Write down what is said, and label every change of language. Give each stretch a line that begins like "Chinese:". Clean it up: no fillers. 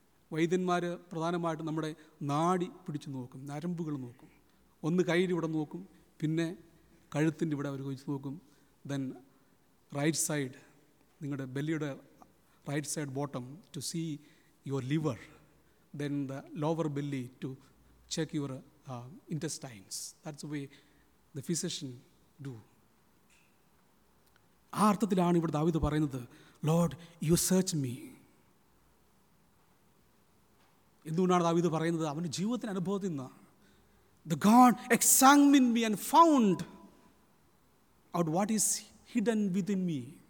Malayalam: വൈദ്യന്മാർ പ്രധാനമായിട്ടും നമ്മുടെ നാഡി പിടിച്ച് നോക്കും, നരമ്പുകൾ നോക്കും. ഒന്ന് കയ്യിൽ ഇവിടെ നോക്കും, പിന്നെ കഴുത്തിൻ്റെ ഇവിടെ അവർ കൊച്ചു നോക്കും,
English: then right side,
Malayalam: നിങ്ങളുടെ ബെല്ലിയുടെ right side bottom,
English: To see your liver, then the lower belly to check your intestines. That's the way the physician do.
Malayalam: ആർത്ഥത്തിലാണ് ഇവിടെ ദാവീദ് പറയുന്നത്,
English: Lord you search me.
Malayalam: എന്തുകൊണ്ടാണ് ദാവീദ് പറയുന്നത്? അവൻ്റെ ജീവിതത്തിൻ്റെ അനുഭവത്തിൽ നിന്ന്,
English: The God examine me and found out what is hidden within me.